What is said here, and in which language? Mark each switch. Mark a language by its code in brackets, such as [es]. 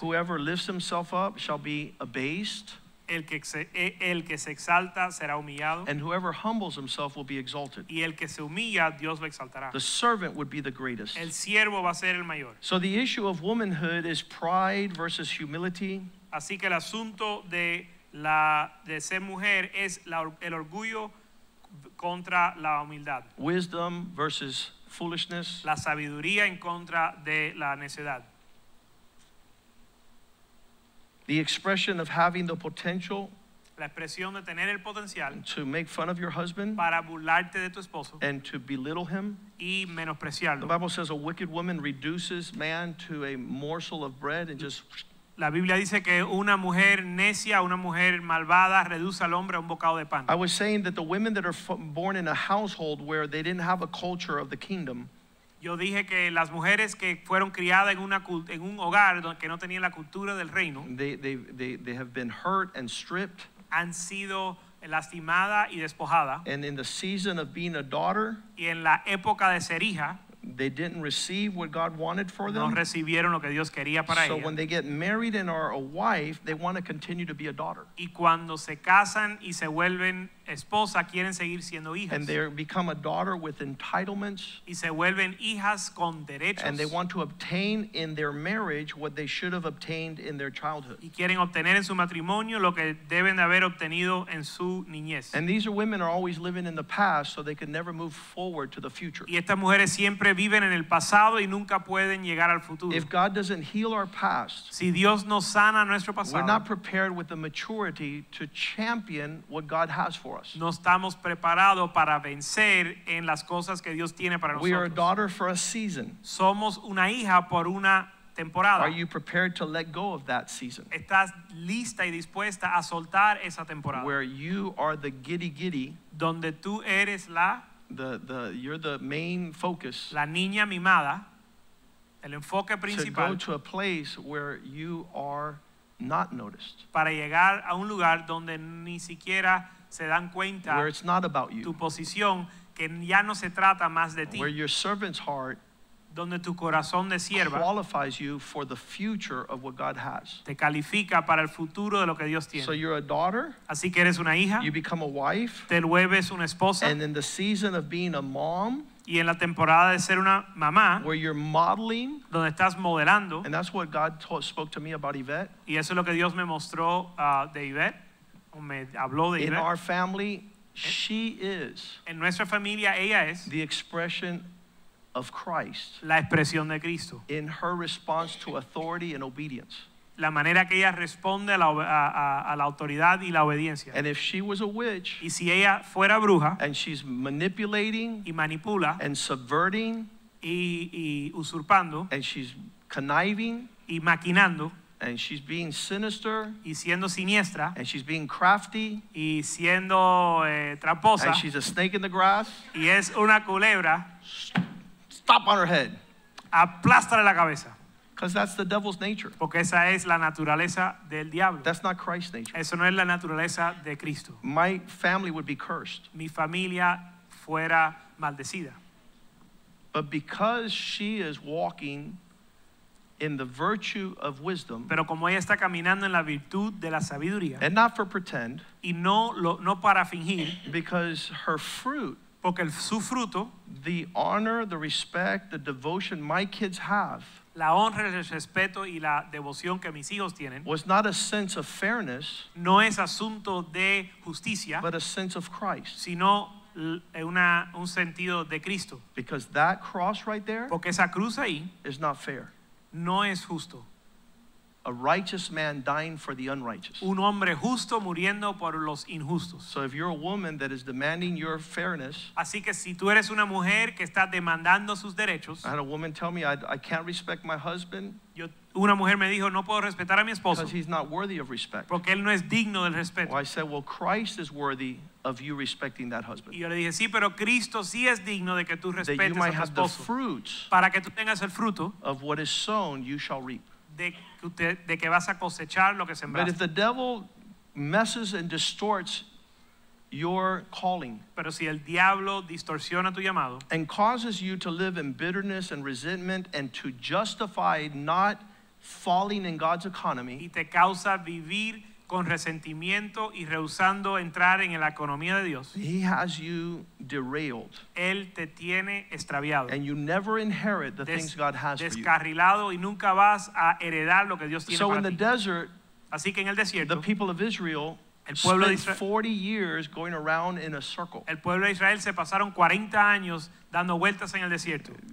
[en] Whoever lifts himself up shall be abased. [es] El que se exalta será humillado. [en] And whoever humbles himself will be exalted. [es] Y el que se humilla, Dios lo exaltará. [en] The servant would be the greatest. [es] El siervo va a ser el mayor. [en] So the issue of womanhood is pride versus humility. [es] Así que el asunto de ser mujer es el orgullo contra la humildad. [en] Wisdom versus foolishness. [es] La sabiduría en contra de la necedad. [en] The expression of having the potential. [es] La expresión de tener el potencial. [en] To make fun of your husband. [es] Para burlarte de tu esposo. [en] And to belittle him. [es] Y menospreciarlo. [en] The Bible says a wicked woman reduces man to a morsel of bread and just... [es] La Biblia dice que una mujer necia, una mujer malvada, reduce al hombre a un bocado de pan. [en] I was saying that the women that are born in a household where they didn't have a culture of the kingdom. [es] Yo dije que las mujeres que fueron criadas en un hogar que no tenían la cultura del reino. [en] They have been hurt and stripped. [es] Han sido lastimada y despojada. [en] And in the season of being a daughter. [es] Y en la época de ser hija. [en] They didn't receive what God wanted for them. [es] No recibieron lo que Dios quería para ellas. [en] So when they get married and are a wife, they want to continue to be a daughter. [es] Y cuando se casan y se vuelven esposa, quieren seguir siendo hijas. [en] And they become a daughter with entitlements. [es] Y se vuelven hijas con derechos. [en] And they want to obtain in their marriage what they should have obtained in their childhood. [es] Y quieren obtener en su matrimonio lo que deben de haber obtenido en su niñez. [en] And these women are always living in the past so they can never move forward to the future. [es] Y estas mujeres siempre viven en el pasado y nunca pueden llegar al futuro. [en] If God doesn't heal our past, [es] si Dios no sana nuestro pasado, [en] we're not prepared with the maturity to champion what God has for us. [es] No estamos preparados para vencer en las cosas que Dios tiene para nosotros. [en] We are a daughter for a season. [es] Somos una hija por una temporada. [en] Are you prepared to let go of that season? [es] Estás lista y dispuesta a soltar esa temporada. [en] Where you are the giddy giddy. [es] Donde tú eres la. [en] The you're the main focus. [es] La niña mimada. El enfoque principal. [en] To go to a place where you are not noticed. [es] Para llegar a un lugar donde ni siquiera se dan cuenta. [en] Where it's not about you. [es] Tu posición que ya no se trata más de ti. [en] Where your servant's heart. [es] Donde tu corazón de sierva [en] qualifies you for the future of what God has. [es] Te califica para el futuro de lo que Dios tiene. [en] So you're a daughter. [es] Así que eres una hija. [en] You become a wife. [es] Te vuelves una esposa. [en] And in the season of being a mom. [es] Y en la temporada de ser una mamá. [en] Where you're modeling. [es] Donde estás modelando. [en] And that's what God spoke to me about Yvette. [es] Y eso es lo que Dios me mostró de Yvette. O me habló de Yvette. [en] In our family, she is. [es] En nuestra familia, ella es. [en] The expression of Christ, [es] la expresión de Cristo, [en] in her response to authority and obedience, [es] la manera que ella responde a la autoridad y la obediencia. [en] And if she was a witch, [es] y si ella fuera bruja, [en] and she's manipulating, [es] y manipula, [en] and subverting, [es] y usurpando, [en] and she's conniving, [es] y maquinando, [en] and she's being sinister, [es] y siendo siniestra, [en] and she's being crafty, [es] y siendo tramposa, [en] and she's a snake in the grass, [es] y es una culebra. [en] Stop on her head. [es] Aplástale la cabeza. [en] Because that's the devil's nature. [es] Porque esa es la naturaleza del diablo. [en] That's not Christ's nature. [es] Eso no es la naturaleza de Cristo. [en] My family would be cursed. [es] Mi familia fuera maldecida. [en] But because she is walking in the virtue of wisdom, [es] pero como ella está caminando en la virtud de la sabiduría, [en] and not for pretend, [es] y no, lo, no para fingir, [en] because her fruit, [es] porque el, su fruto, [en] the honor, the respect, the devotion my kids have, [es] la honra, el respeto y la devoción que mis hijos tienen, [en] was not a sense of fairness, [es] no es asunto de justicia, [en] but a sense of Christ, [es] sino una, un sentido de Cristo, [en] because that cross right there, [es] porque esa cruz ahí, [en] is not fair, [es] no es justo. [en] A righteous man dying for the unrighteous. [es] Un hombre justo muriendo por los injustos. [en] So if you're a woman that is demanding your fairness, [es] así que si tú eres una mujer que está demandando sus derechos, [en] I had a woman tell me I can't respect my husband. [es] Yo, una mujer me dijo, no puedo respetar a mi esposo, [en] because he's not worthy of respect. [es] Porque él no es digno del respeto. [en] Well, I said, well, Christ is worthy of you respecting that husband. [es] Y yo le dije, sí, pero Cristo sí es digno de que tú respetes a tu esposo. [en] That you might have the fruits, [es] para que tú tengas el fruto, [en] of what is sown, you shall reap. [es] De que vas a cosechar lo que sembraste. [en] But if the devil messes and distorts your calling, [es] pero si el diablo distorsiona tu llamado, [en] and causes you to live in bitterness and resentment and to justify not falling in God's economy, [es] y te causa vivir con resentimiento y rehusando entrar en la economía de Dios, [en] he has you derailed. [es] Él te tiene extraviado. [en] And you never inherit the things God has for you. [es] Descarrilado y nunca vas a heredar lo que Dios tiene para ti. [en] So in the desert, [es] así que en el desierto, [en] the people of Israel, [es] el pueblo de [en] Israel, 40 years going around in a circle. [es] El pueblo de Israel se pasaron 40 años dando vueltas en el desierto.